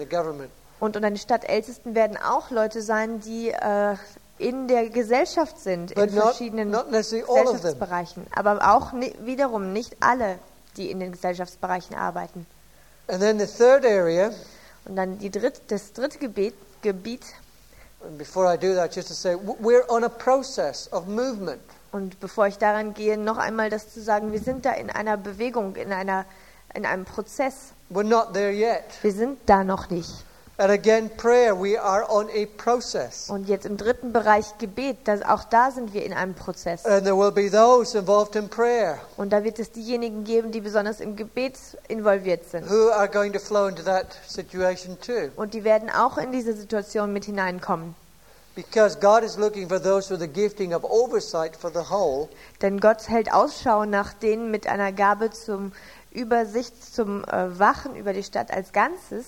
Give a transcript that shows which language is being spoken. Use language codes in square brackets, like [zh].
[de] und unter den Stadtältesten werden auch Leute sein, die in der Gesellschaft sind, [en] but [de] in verschiedenen Gesellschaftsbereichen, aber auch wiederum nicht alle, die in den Gesellschaftsbereichen arbeiten. [en] And then the third area, [de] und dann das dritte Gebiet. [en] And before I do that, just to say, we're on a process of movement. [de] Und bevor ich daran gehe, noch einmal das zu sagen: Wir sind da in einer Bewegung, in einem Prozess. [en] We're not there yet. [de] Wir sind da noch nicht. [en] And again, prayer. We are on a process. [de] Und jetzt im dritten Bereich Gebet. Das, auch da sind wir in einem Prozess. [en] And there will be those involved in prayer. [de] Und da wird es diejenigen geben, die besonders im Gebet involviert sind. [en] Who are going to flow into that situation too? [de] Und die werden auch in diese Situation mit hineinkommen. [en] Because God is looking for those with the gifting of oversight for the whole. [de] Denn Gott hält Ausschau nach denen mit einer Gabe zum Übersicht, zum Wachen über die Stadt als Ganzes.